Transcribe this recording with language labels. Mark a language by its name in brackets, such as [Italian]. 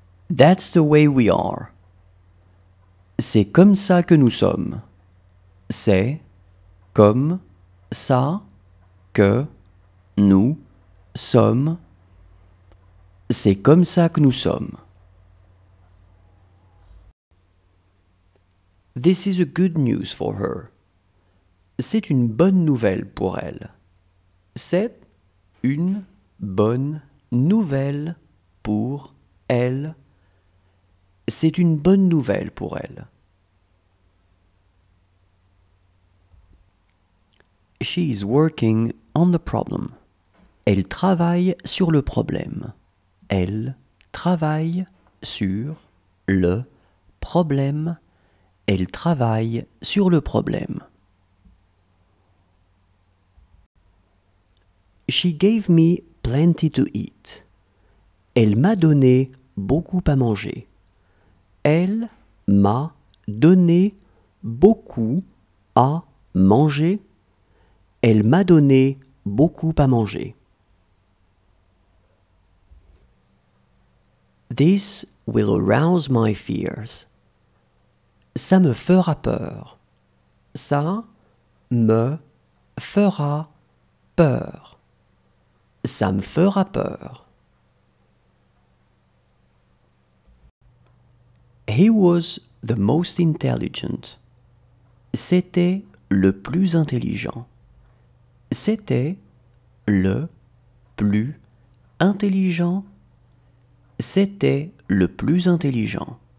[English] That's the way we are. [French] C'est comme ça que nous sommes. C'est comme ça que nous sommes. C'est comme ça que nous sommes. [English] This is a good news for her. [French] C'est une bonne nouvelle pour elle. C'est une bonne nouvelle pour elle. C'est une bonne nouvelle pour elle. [English] She is working on the problem. [French] Elle travaille sur le problème. Elle travaille sur le problème. Elle travaille sur le problème. [English] She gave me plenty to eat. [French] Elle m'a donné beaucoup à manger. Elle m'a donné beaucoup à manger. Elle m'a donné beaucoup à manger. [English] This will arouse my fears. [French] Ça me fera peur. Ça me fera peur. Ça me fera peur. [English] He was the most intelligent. [French] C'était le plus intelligent. C'était le plus intelligent. C'était le plus intelligent.